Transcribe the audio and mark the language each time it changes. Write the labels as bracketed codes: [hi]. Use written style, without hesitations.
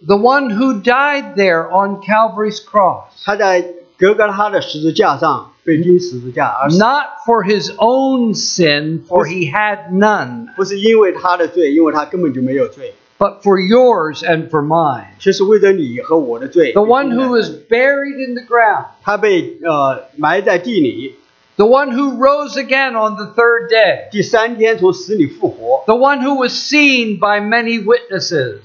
[en] the one who died there on Calvary's cross. [zh] 他在格格他的十字架上被钉十字架, [en] not for his own sin, for he had none. [zh] 不是因为他的罪, [en] but for yours and for mine. [zh] 其实为了你和我的罪, [en] the one who was buried in the ground. [zh] 他被埋在地里, [en] the one who rose again on the third day. The one who was seen by many witnesses.